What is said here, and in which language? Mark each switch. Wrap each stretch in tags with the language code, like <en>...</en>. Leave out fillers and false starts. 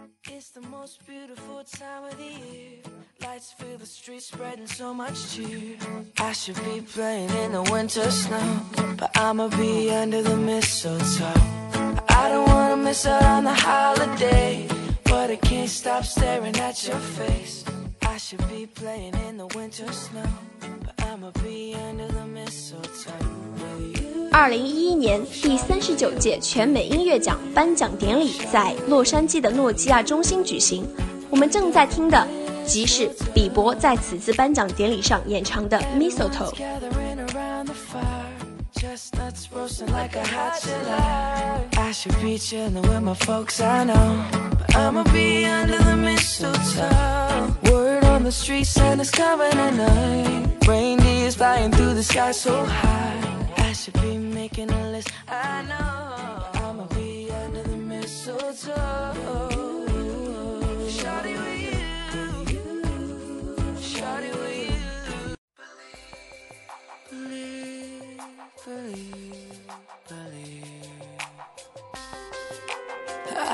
<en>It's the most beautiful time of the year. Lights fill the streets, spreading so much cheer. I should be playing in the winter snow, but I'ma be under the mistletoe. I don't wanna miss out on the holiday, but I can't stop staring at your face. I should be playing in the winter snow, but I'ma be under the mistletoe.</en> <zh>2011年第39届全美音乐奖颁奖典礼在洛杉矶的诺基亚中心举行。我们正在听的，即是比伯在此次颁奖典礼上演唱的《Mistletoe》。</zh> <en>I should be making a list. I know I'ma be under the mist. so tall. Shawty with you, shawty with you. Believe, believe, believe.</en>